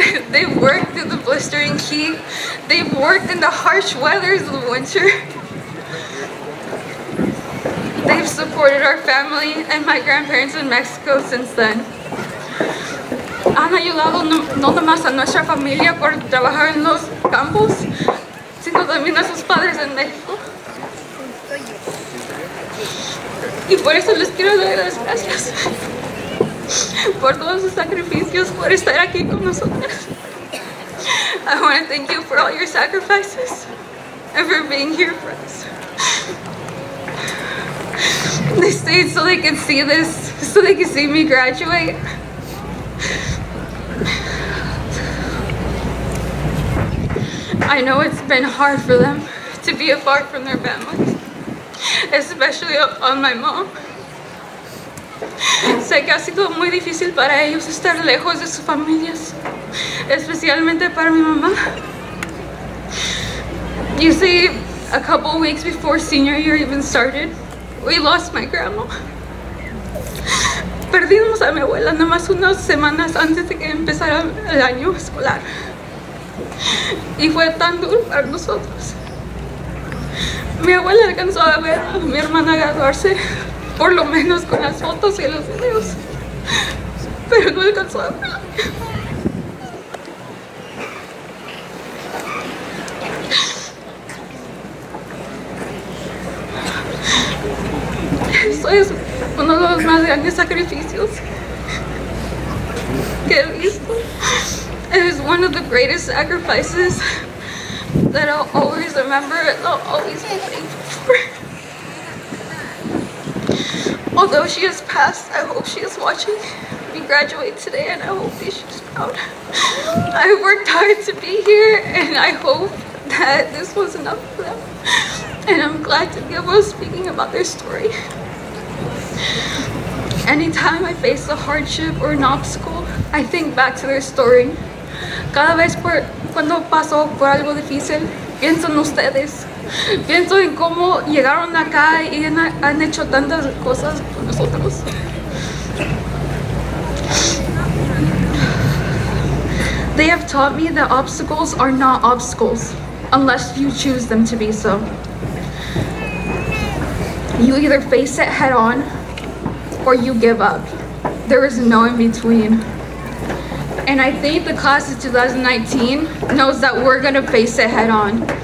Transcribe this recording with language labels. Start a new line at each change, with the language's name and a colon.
English: They've worked in the blistering heat. They've worked in the harsh weathers of the winter. They've supported our family and my grandparents in Mexico since then.
Spanish: Han ayudado no nomás a nuestra familia por trabajar en los campos, sino también a sus padres en México. Y por eso les quiero dar las gracias. Por todos sus sacrificios, por estar aquí con nosotros.
English: I want to thank you for all your sacrifices and for being here for us. They stayed so they could see this, so they could see me graduate. I know it's been hard for them to be apart from their families, especially on my mom.
Spanish: Sé que ha sido muy difícil para ellos estar lejos de sus familias, especialmente para mi mamá.
English: You see, a couple weeks before senior year even started, we lost my grandma.
Spanish: Perdimos a mi abuela nomás unas semanas antes de que empezara el año escolar. Y fue tan duro para nosotros. Mi abuela alcanzó a ver a mi hermana graduarse, por lo menos con las fotos y los videos. Pero no alcanzó a verla. Esto es uno de los más grandes sacrificios que he visto.
English: It is one of the greatest sacrifices that I'll always remember and I'll always be thankful for. Although she has passed, I hope she is watching me graduate today and I hope that she's proud. I worked hard to be here and I hope that this was enough for them. And I'm glad to be able to speak about their story. Anytime I face a hardship or an obstacle, I think back to their story.
Spanish: Cada vez cuando paso por algo difícil, pienso en ustedes. Pienso en cómo llegaron acá y han hecho tantas cosas con nosotros.
English: They have taught me that obstacles are not obstacles unless you choose them to be so. You either face it head on or you give up. there was no in between. And I think the class of 2019 knows that we're gonna face it head on.